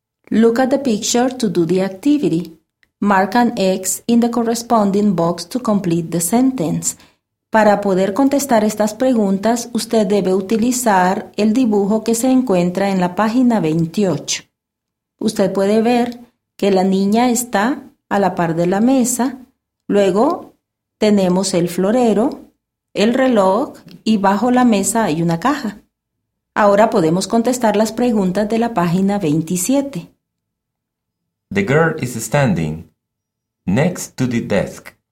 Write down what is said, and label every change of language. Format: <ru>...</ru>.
<en>Look at the picture to do the activity. Mark an X in the corresponding box to complete the sentence.</en> <es>Para poder contestar estas preguntas, usted debe utilizar el dibujo que se encuentra en la página 28. Usted puede ver que la niña está a la par de la mesa, luego tenemos el florero, el reloj y bajo la mesa hay una caja. Ahora podemos contestar las preguntas de la página 27.</es> <en>The girl is standing next to the desk.</en>